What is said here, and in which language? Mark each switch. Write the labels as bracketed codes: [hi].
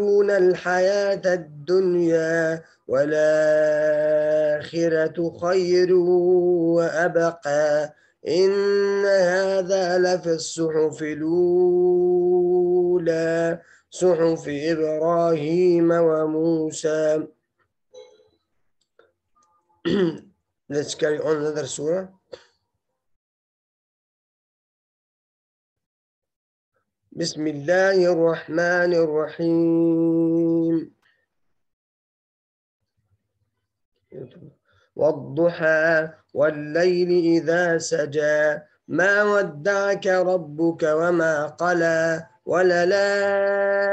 [ar] الحياة الدنيا والآخرة خير وأبقى إن هذا لفي الصحف الأولى صحف إبراهيم وموسى. [en] Let's carry on another surah. [ar] بسم الله الرحمن الرحيم والضحى والليل إذا سجى ما ودعك ربك وما قلى وللآخرة